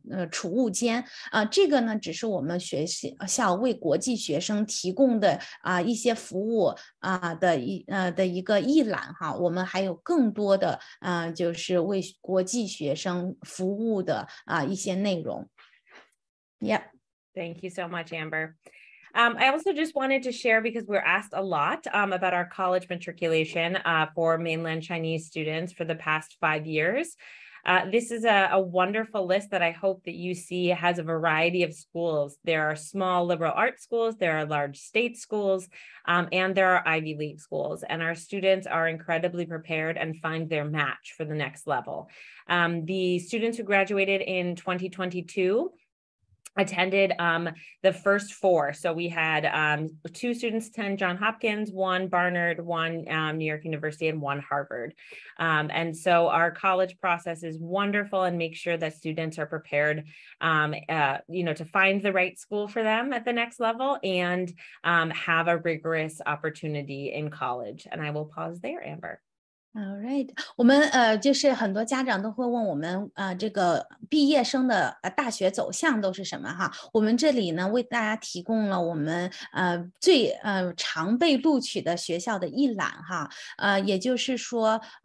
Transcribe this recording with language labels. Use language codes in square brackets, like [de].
[zh] 储物间这个呢只是我们学校为国际学生提供的一些服务的一个一览哈我们还有更多的就是为国际学生服务的一些内容 Yep. [en] Thank you so much Amber I also just wanted to share because we're asked a lot about our college matriculation for mainland Chinese students for the past 5 years this is a wonderful list that I hope that you see has a variety of schools. There are small liberal arts schools, there are large state schools, and there are Ivy League schools. And our students are incredibly prepared and find their match for the next level. The students who graduated in 2022 attended the first four. So we had two students attend Johns Hopkins, one Barnard, one New York University, and one Harvard. And so our college process is wonderful and make sure that students are prepared to find the right school for them at the next level and have a rigorous opportunity in college. And I will pause there, Amber. All right. [zh] 我们就是很多家长都会问我们这个毕业生的大学走向都是什么哈。我们这里呢为大家提供了我们最常被录取的学校的一览哈。也就是说